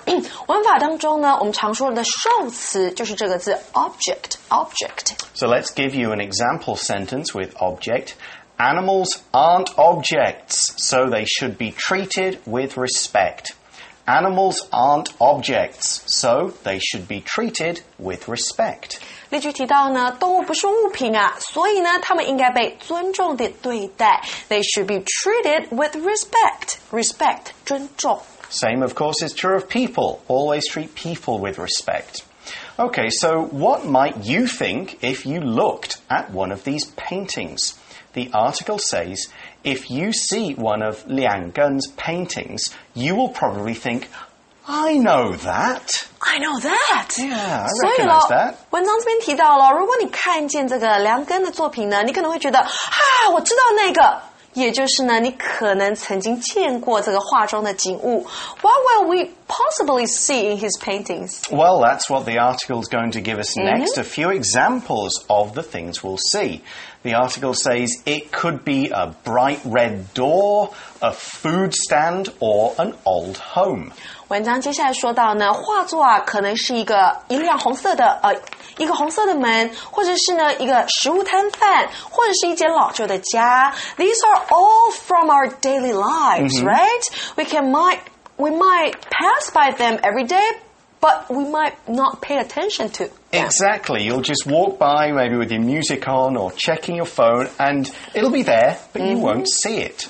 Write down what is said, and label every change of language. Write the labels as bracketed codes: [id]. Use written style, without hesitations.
[zh] 文法当中呢，我们常说的受词就是这个字 object, object. [en] So let's give you an example sentence with object. Animals aren't objects, so they should be treated with respect. Animals aren't objects, so they should be treated with respect. [zh] 例句提到呢，动物不是物品啊，所以呢，它们应该被尊重地对待。 [en] They should be treated with respect. Respect, [zh] 尊重。 [en] Same, of course, is true of people. Always treat people with respect. Okay, so what might you think if you looked at one of these paintings? The article says, if you see one of Liang Gun's paintings, you will probably think, I know that. I know that. Yeah, I recognize that. [zh] 文章这边提到了，如果你看见这个梁根的作品呢，你可能会觉得，啊，我知道那个。也就是呢，你可能曾经见过这个画中的景物。 [en] What will we possibly see in his paintings? Well, that's what the article is going to give us next.、Mm-hmm. A few examples of the things we'll see. The article says it could be a bright red door, a food stand, or an old home. [zh] 文章接下来说到呢，画作啊，可能是一辆红色的一个红色的门，或者是呢一个食物摊贩，或者是一间老旧的家。 [en] These are all from our daily lives,、mm-hmm. right? We might pass by them every day, but we might not pay attention to them. Exactly. You'll just walk by, maybe with your music on or checking your phone, and it'll be there, but、mm-hmm. you won't see it.